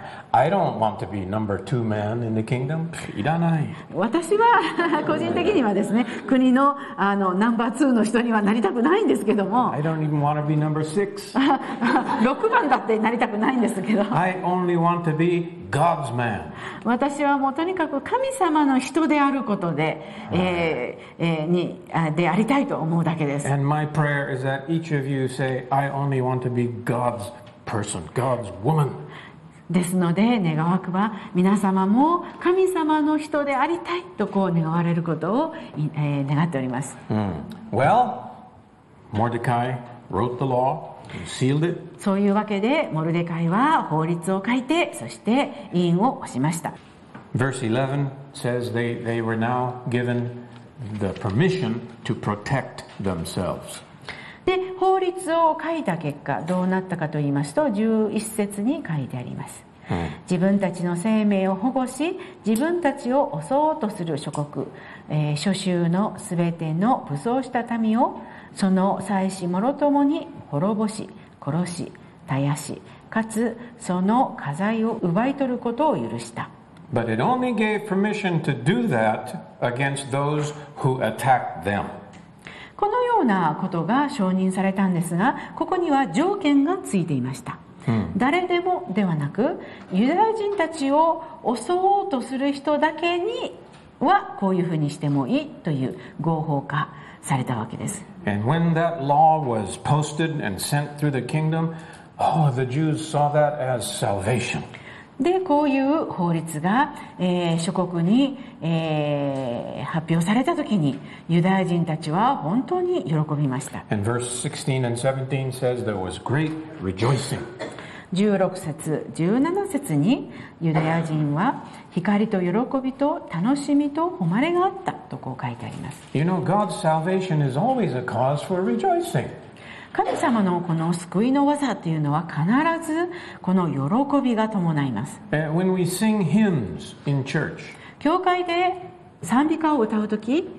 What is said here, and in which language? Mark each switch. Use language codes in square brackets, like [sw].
[en] I don't want to be number two man in the kingdom. [ja] いらない。私は個人的にはですね、国のナンバーツーの人にはなりたくないんですけども。 [en] I don't even want to be number six. [ja] 六番だってなりたくないんですけど。 [en] I only want to be God's man. [ja] 私はもうとにかく神様の人であることで、にでありたいと思うだけです。 [en] And my prayer is that each of you say, I only want to be God's person, God's woman. [ja] ですので願わくば皆様も神様の人でありたいとこう願われることを、願っております。 Mm. [en] Well, Mordecai wrote the law. Sealed it. [ja] そういうわけでモルデカイは法律を書いてそして印を押しました [en] Verse 11 says they were now given the permission to protect themselves [ja] で法律を書いた結果どうなったかと言いますと11節に書いてあります、hmm. 自分たちの生命を保護し自分たちを襲おうとする諸国、諸州のすべての武装した民をその祭司もろともに滅ぼし殺し絶やしかつその家財を奪い取ることを許した。 [en] But it only gave permission to do that against those who attacked them. [ja] このようなことが承認されたんですが、ここには条件がついていました。誰でもではなく、ユダヤ人たちを襲おうとする人だけにはこういうふうにしてもいいという合法化されたわけです。 [en] And when that law was posted and sent through the kingdom, oh, the Jews saw that as salvation. [ja] でこういう法律が、諸国に、発表されたときにユダヤ人たちは本当に喜びました。 [en] And verse 16 and 17 says there was great rejoicing. [ja] 16節17節にユダヤ人は光と喜びと楽しみと誉れがあったとこう書いてあります。 [en] You know, God's salvation is always a cause for rejoicing. [ja] 神様のこの救いの技というのは必ずこの喜びが伴います。 [en] When we sing hymns in church, [ja] 教会で賛美歌を歌うとき、